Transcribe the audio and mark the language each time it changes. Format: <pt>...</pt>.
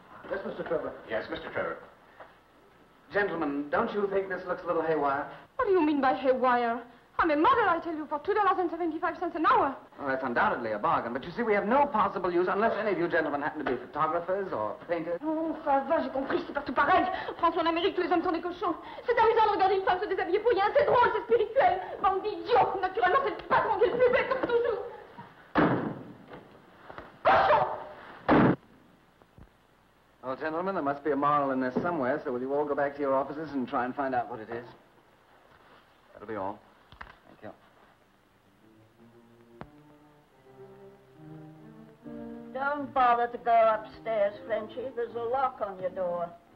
<en>Yes, Mr. Trevor. Yes, Mr. Trevor. Gentlemen, don't you think this looks a little haywire? What do you mean by haywire? I'm a model, I tell you, for $2.75 an hour. Well, that's undoubtedly a bargain. But you see, we have no possible use unless any of you gentlemen happen to be photographers or painters.</en> <fr>Oh, ça va, j'ai compris, c'est partout pareil. France ou en Amérique, tous les hommes sont des cochons. C'est amusant de regarder une femme se déshabiller pour rien. C'est drôle, c'est spirituel. Bande d'idiots. Naturellement, c'est le patron qui est le plus bête pour toujours. Cochon!</fr> <en>Well, gentlemen, there must be a moral in this somewhere, so will you all go back to your offices and try and find out what it is? That'll be all. Don't bother to go upstairs, Frenchie. There's a lock on your door.</en>